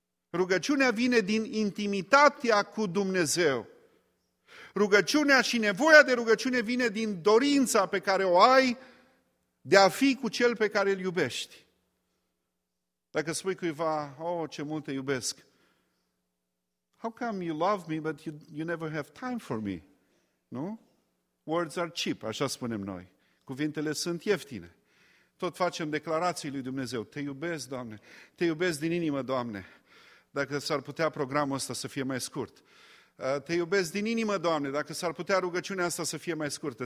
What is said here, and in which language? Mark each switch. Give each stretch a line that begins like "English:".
Romanian: Rugăciunea vine din intimitatea cu Dumnezeu. Rugăciunea și nevoia de rugăciune vine din dorința pe care o ai de a fi cu cel pe care îl iubești. Dacă spui cuiva: "Oh, ce mult te iubesc.
English: How come you love me, but you never have time for me?"
Romanian: Nu?
English: Words are cheap,
Romanian: așa spunem noi. Cuvintele sunt ieftine. Tot facem declarații lui Dumnezeu. Te iubesc, Doamne. Te iubesc din inimă, Doamne. Dacă s-ar putea programul ăsta să fie mai scurt. Te iubesc din inimă, Doamne, dacă s-ar putea rugăciunea asta să fie mai scurtă.